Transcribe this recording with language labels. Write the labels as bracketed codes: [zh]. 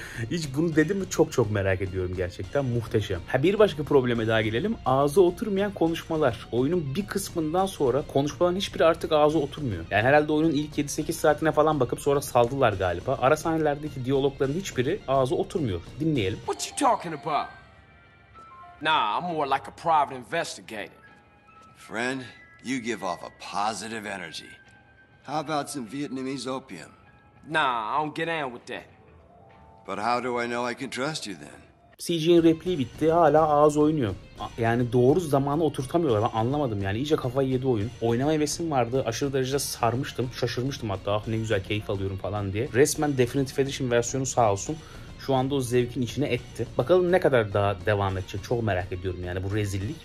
[tr] Hiç bunu dedim mi çok çok merak ediyorum gerçekten. Muhteşem. Ha bir başka probleme daha gelelim. Ağza oturmayan konuşmalar. Oyunun bir kısmından sonra konuşmaların hiçbiri artık ağza oturmuyor. Yani herhalde oyunun ilk 7-8 saatine falan bakıp sonra saldılar galiba. Ara sahnelerdeki diyalogların hiçbiri ağza oturmuyor. Dinleyelim. [en] What you talking about? Nah, I'm more like a private investigator. Friend, you give off a positive energy. How about some Vietnamese opium? Nah, I don't get down with that. But how do I know I can trust you then? [tr] CG'nin repliği bitti, hala ağız oynuyor. Yani doğru zamanı oturtamıyorlar, ben anlamadım yani, iyice kafayı yedi oyun. Oynama hevesim vardı, aşırı derecede sarmıştım, şaşırmıştım hatta, ah ne güzel keyif alıyorum falan diye. Resmen Definitive Edition versiyonu sağ olsun şu anda o zevkin içine etti. Bakalım ne kadar daha devam edecek, çok merak ediyorum yani bu rezillik.